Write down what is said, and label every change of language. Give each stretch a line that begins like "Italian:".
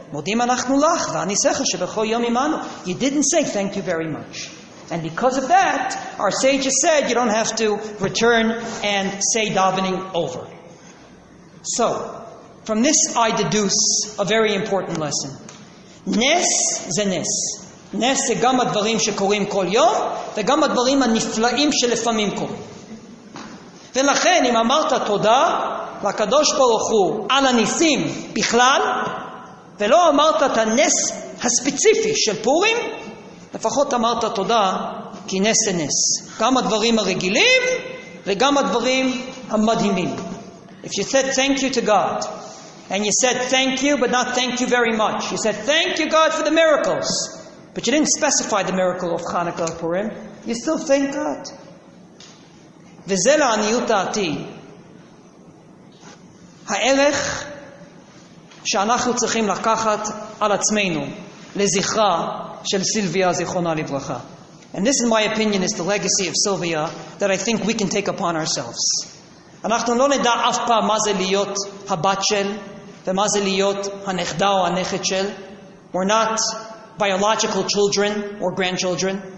Hebrew: Modim anachnu lach, v'anisecha shebechol yom imanu.
English: You didn't say thank you very much. And because of that, our sages said you don't have to return and say davening over. So, from this I deduce a very important lesson.
Hebrew: נס זה נס. נס זה גם הדברים שקורים כל יום, וגם הדברים הנפלאים שלפעמים קורים. ולכן, אם אמרת תודה לקדוש ברוך הוא על הניסים בכלל, ולא אמרת את הנס הספציפי של פורים, לפחות אמרת תודה, כי נס זה נס. גם הדברים הרגילים, וגם הדברים המדהימים.
English: If you said thank you to God, and you said thank you, but not thank you very much, you said thank you God for the miracles, but you didn't specify the miracle of Hanukkah Purim, you still thank God.
Hebrew: וזה לעניות דעתי, הערך שאנחנו צריכים לקחת על עצמנו, לזכרה של סילביה זיכרונה לברכה.
English: And this in my opinion is the legacy of Sylvia that I think we can take upon ourselves.
Hebrew: אנחנו לא נדע אף פעם מה זה להיות הבת של, ומה זה להיות הנכדה או הנכד של.
English: We're not biological children or grandchildren.